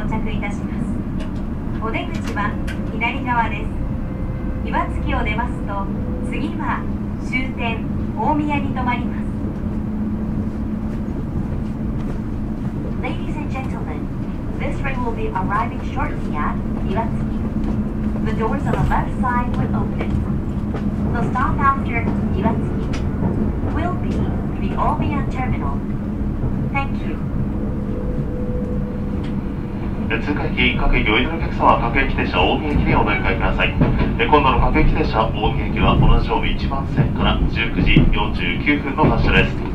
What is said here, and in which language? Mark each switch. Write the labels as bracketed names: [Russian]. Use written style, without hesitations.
[Japanese] 着いたします。お出口は左側です。岩槻を出ますと次は終点大宮に停まります。 [English] Ladies and gentlemen, this train will be arriving shortly at 岩槻. The doors on the left side will open. The stop after 岩槻 will be the 大宮 terminal. Thank you. [Japanese] 通過駅、各駅お祈りのお客様は各駅停車大宮駅でお乗り換えください。今度の各駅停車大宮駅は同じ曜日1番線から19時49分の発車です。